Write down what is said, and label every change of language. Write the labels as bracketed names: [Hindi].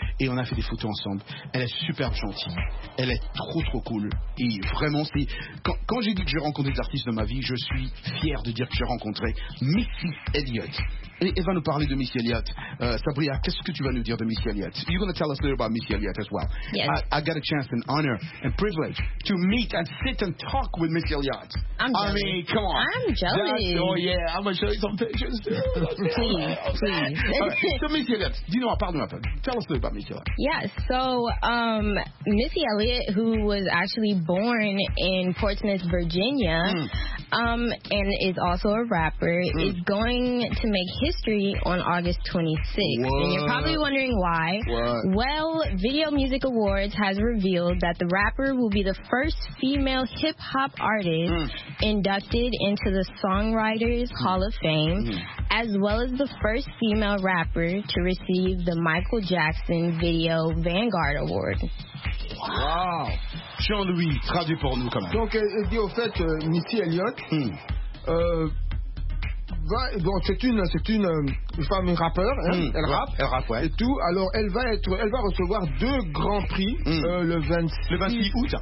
[French] Et on a fait des photos ensemble. Elle est super gentille. Elle est trop, trop cool. Et vraiment, c'est... Quand j'ai dit que j'ai rencontré des artistes dans ma vie, je suis fier de dire que j'ai rencontré Missy Elliott. Et elle va nous parler de Missy Elliott. Sabria, qu'est-ce que tu vas nous dire de Missy Elliott? [English] You're going to tell us a little about Missy Elliott as well. Yes. I got a chance, an honor, and privilege to meet and sit and talk with Missy Elliott. I'm jelly. I mean, come on. I'm jelly. Oh, yeah, I'm going to show you some pictures. Please. Right. So, Missy Elliott, tell us a little about Missy Elliott. Yes. So, Missy Elliott, who was actually born in Portsmouth, Virginia, and is also a rapper, is going to make history on August 26th. What? And you're probably wondering why. What? Well, Video Music Awards has revealed that the rapper will be the first female hip-hop artist inducted into the Songwriters Hall of Fame, as well as the first female rapper to receive the Michael Jackson Video Vanguard Award. [French] Wow! Jean-Louis, traduit pour nous quand même. Donc, elle dit au fait, Missy Elliott, donc c'est une femme rappeur, hein, elle rappe ouais. Et tout. Alors elle va recevoir deux grands prix le 26 août.